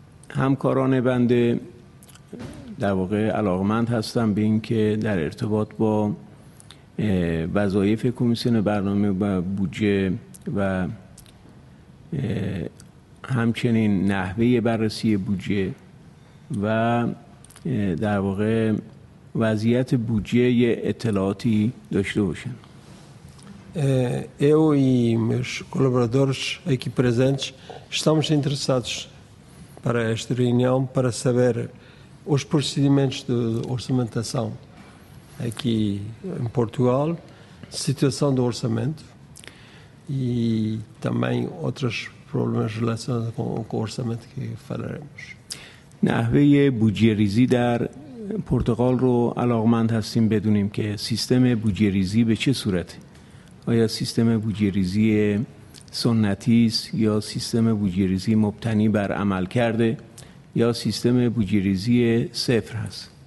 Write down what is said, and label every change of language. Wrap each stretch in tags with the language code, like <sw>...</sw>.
<fa>همکاران بنده در واقع علاقمند هستم به این که در ارتباط با وظایف کمیسیون برنامه و بودجه و همچنین نحوه بررسی بودجه و در واقع وضعیت بودجه اطلاعاتی داشته باشن.</fa> <pt>Eu e meus colaboradores aqui presentes estamos interessados para esta reunião para saber os procedimentos de orçamentação aqui em Portugal, situação do orçamento e também outros problemas relacionados com o orçamento que falaremos.</pt> <fa>نحوه بودجه‌ریزی در پرتغال رو علاقمند هستیم بدونیم که سیستم بودجه‌ریزی به چه صورته؟ آیا سیستم بودجه‌ریزی سنتی است یا سیستم بودجه‌ریزی مبتنی بر عمل کرده یا سیستم بودجه‌ریزی صفر است.</fa>